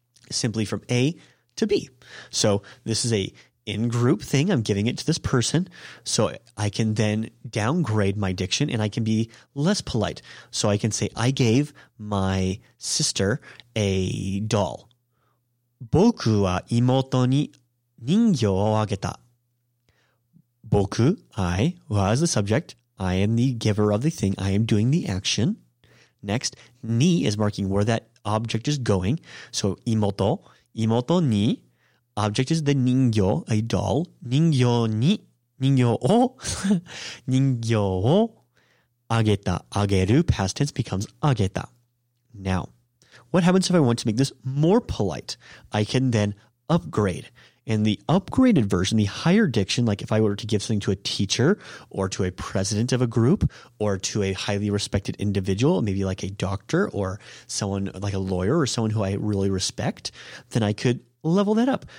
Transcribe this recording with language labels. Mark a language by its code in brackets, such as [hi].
[en] Simply from A to B. So this is a in-group thing. I'm giving it to this person so I can then downgrade my diction and I can be less polite. So I can say, I gave my sister a doll. [ja] 僕は妹に人形をあげた。 [en] 僕, I, was the subject. I am the giver of the thing. I am doing the action. Next, に is marking where that object is going. So 妹に, object is the 人形, a doll. [ja] 人形に, 人形を, 人形をあげた。 [en] あげる, past tense becomes あげた。 Now, what happens if I want to make this more polite? I can then upgrade. And the upgraded version, the higher diction, like if I were to give something to a teacher or to a president of a group or to a highly respected individual, maybe like a doctor or someone like a lawyer or someone who I really respect, then I could level that up.